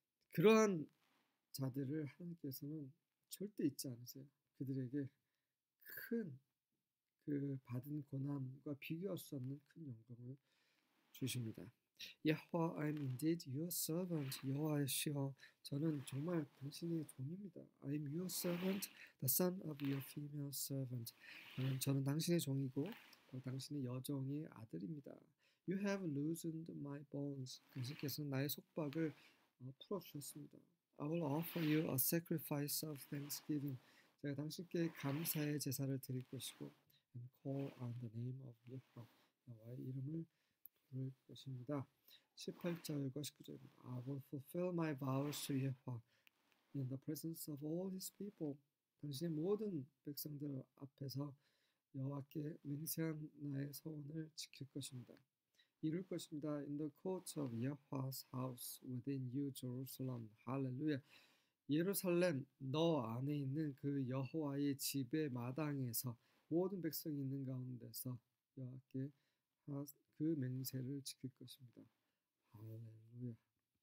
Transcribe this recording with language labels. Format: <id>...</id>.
<ko>그러한 자들을 하나님께서는 절대 잊지 않으세요. 그들에게 큰그 받은 고난과 비교할 수 없는 큰 영광을 주십니다.</ko> <en>Yahweh, I am indeed your servant,</en> <ko>여호와시여. 저는 정말 당신의 종입니다.</ko> <en>I am your servant, the son of your female servant.</en> <ko>저는 당신의 종이고 당신의 여종의 아들입니다.</ko> <en>You have loosened my bonds.</en> <ko>당신께서는 나의 속박을 풀어주셨습니다.</ko> <en>I will offer you a sacrifice of thanksgiving.</en> <ko>제가 당신께 감사의 제사를 드릴 것이고</ko> <en>and call on the name of Yahweh.</en> <ko>나의 이름을 부를 것입니다. 18절과 19절입니다.</ko> <en>I will fulfill my vows to Yahweh in the presence of all his people.</en> <ko>당신의 모든 백성들 앞에서 여호와께 맹세한 나의 서원을 지킬 것입니다. 이룰 것입니다.</ko> <en>In the courts of Yahweh's house within you, Jerusalem.</en> <ko>할렐루야. 예루살렘 너 안에 있는 그 여호와의 집의 마당에서 모든 백성이 있는 가운데서 여호와께 그 맹세를 지킬 것입니다. 할렐루야.</ko>